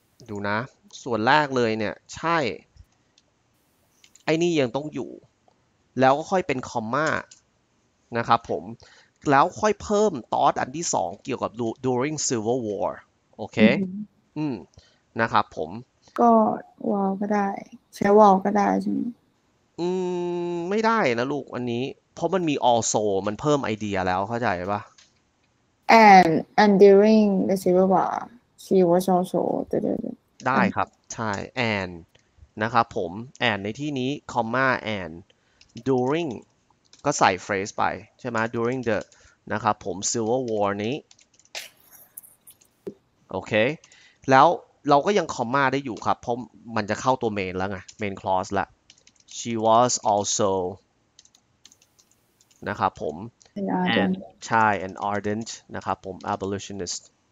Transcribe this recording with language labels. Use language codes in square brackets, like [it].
[th] ดูนะส่วนแรกเลยเนี่ยใช่ไอ้นี่ยังต้องอยู่แล้วก็ค่อยเป็นคอมม่านะครับผมแล้วค่อยเพิ่มตอสอันที่สองเกี่ยวกับ during civil war โอเคอืมนะครับผม ก็วอลก็ได้ใช้วอลก็ได้ใช่ไหม อืมไม่ได้นะลูกอันนี้เพราะมันมี also มันเพิ่มไอเดียแล้วเข้าใจปะ [en] and during the civil war she was also [th] ได้ครับใช่ and นะครับผม and ในที่นี้ comma and during ก็ใส่ phrase ไปใช่ไหม during the นะครับผม civil war นี้โอเคแล้วเราก็ยัง comma ได้อยู่ครับเพราะมันจะเข้าตัว main แล้วไง main clause ละ [en] she was also [th] นะครับผม and ใช่ an ardent นะครับผม abolitionist